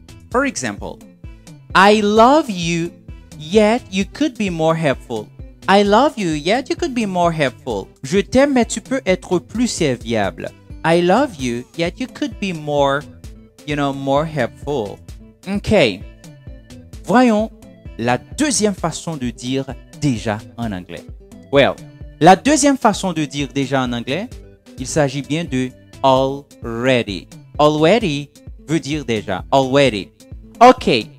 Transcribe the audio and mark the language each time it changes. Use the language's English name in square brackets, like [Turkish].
[English] For example, I love you, yet you could be more helpful. I love you, yet you could be more helpful. [French] Je t'aime, mais tu peux être plus serviable. [English] I love you, yet you could be more, you know, more helpful. OK. [French] Voyons la deuxième façon de dire déjà en anglais. Well, la deuxième façon de dire déjà en anglais, il s'agit bien de already. Already veut dire déjà. Already. OK.